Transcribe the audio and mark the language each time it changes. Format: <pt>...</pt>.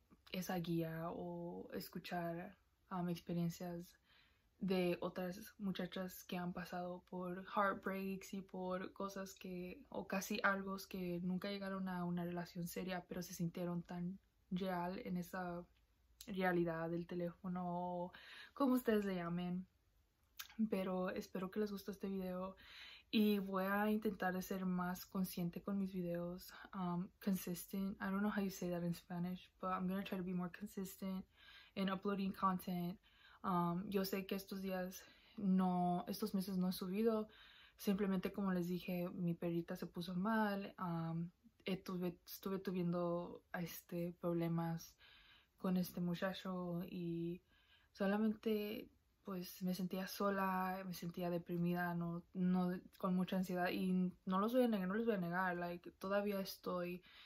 <es>esa guía o escuchar experiencias de otras muchachas que han pasado por heartbreaks y por cosas que, o casi algo que nunca llegaron a una relación seria, pero se sintieron tan real en esa realidad del teléfono o como ustedes le llamen. Pero espero que les guste este video y voy a intentar de ser más consciente con mis videos.</es> <en>Consistent. I don't know how you say that in Spanish, but I'm gonna try to be more consistent in uploading content.</en> <es>Yo sé que estos días no, estos meses no he subido, simplemente como les dije, mi perrita se puso mal, estuve tuviendo problemas con este muchacho y solamente pues me sentía sola, me sentía deprimida, no con mucha ansiedad y no los voy a negar, no los voy a negar, like, todavía estoy.</es>